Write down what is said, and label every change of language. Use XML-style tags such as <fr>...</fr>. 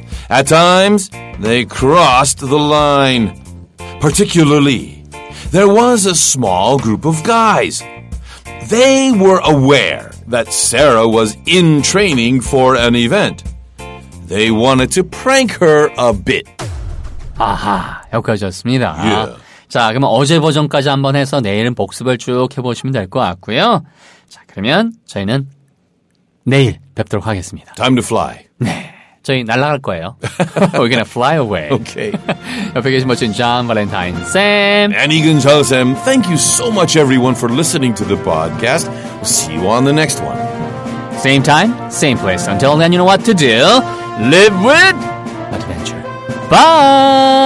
<en>At times, they crossed the line. Particularly, there was a small group of guys. They were aware that Sarah was in training for an event. They wanted to prank her a bit.</en> <ko>아하, 여기까지였습니다.</ko> <en>Yeah.</en> <ko>자, 그럼 어제 버전까지 한번 해서 내일은 복습을 쭉 해보시면 될 것 같고요. 자, 그러면 저희는 내일 뵙도록 하겠습니다.</ko> <en>Time to fly.</en> <ko>네, 저희 날아갈 거예요.</ko> <en>We're gonna fly away. Okay.</en> <ko>옆에 계신 멋진 존 발렌타인 쌤. And 이근 절 쌤.</ko> <en>Thank you so much everyone for listening to the podcast. See you on the next one. Same time, same place. Until then, you know what to do. Live with adventure. Bye!</en>